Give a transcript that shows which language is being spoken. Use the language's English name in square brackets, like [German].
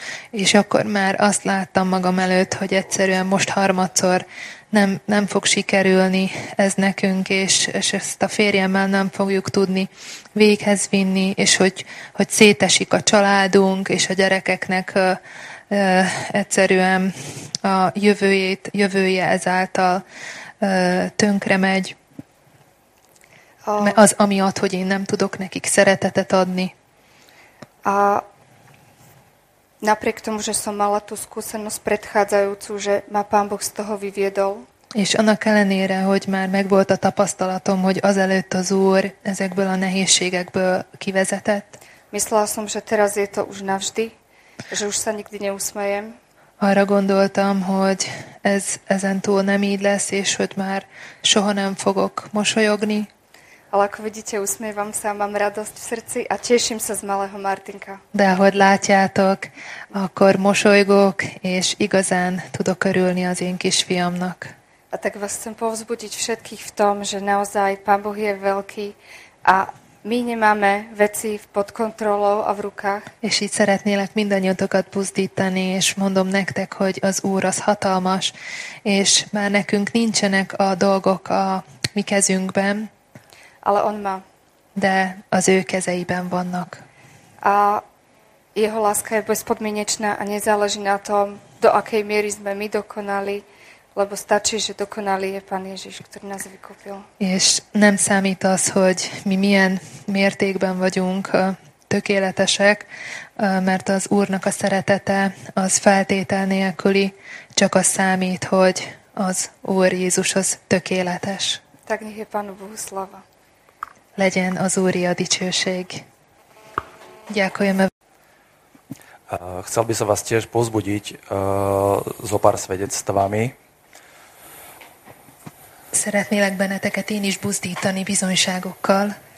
[Hungarian] És akkor már azt láttam magam előtt, hogy egyszerűen most harmadszor nem fog sikerülni ez nekünk, és ezt a férjemmel nem fogjuk tudni véghez vinni, és hogy szétesik a családunk, és a gyerekeknek egyszerűen a jövője ezáltal tönkre megy. Az amiatt, hogy én nem tudok nekik szeretetet adni. [Slovak] A napriek tomu, že som mala tú skúsenosť predchádzajúcu, že ma Pán Boh z toho vyviedol. [Hungarian] És annak ellenére, hogy már megvolt a tapasztalatom, hogy azelőtt az Úr ezekből a nehézségekből kivezetett. [Slovak] Myslela som, že teraz je to už navždy, že už sa nikdy neusmejem. [Hungarian] Arra gondoltam, hogy ez ezentúl nem így lesz, és hogy már soha nem fogok mosolyogni. [Slovak] Ale ako vidíte, usmievam sa, mám radosť v srdci a teším sa z malého Martinka. [Hungarian] De ahogy látjátok, akkor mosolygok, és igazán tudok örülni az én kisfiamnak. [Slovak] A tak vás chcem povzbudiť všetkých v tom, že naozaj Pán Boh je veľký a my nemáme veci pod kontrolou a v rukách. [Hungarian] És így szeretnélek mindannyiatokat buzdítani, és mondom nektek, hogy az Úr az hatalmas, és már nekünk nincsenek a dolgok a mi kezünkben. [Slovak] Ale on má. [Hungarian] De az ő kezeiben vannak. [Slovak] A jeho láska je bezpodmienečná a nezáleží na tom, do akej miery sme my dokonali, lebo stačí, že dokonali je Pán Ježiš, ktorý nás vykúpil. [Hungarian] És nem számít az, hogy mi milyen mértékben vagyunk tökéletesek, mert az Úrnak a szeretete az feltétel nélküli, csak az számít, hogy az Úr Jézus az tökéletes. [Slovak] Tak nech je Pánu Bohu slava. [Hungarian] Legyen az Úri a dicsőség. [Slovak] Ďakujem. Chcel by som vás tiež pozbudiť zo pár svedectvami. [Hungarian] Szeretnélek benneteket én is buzdítani bizonyságokkal.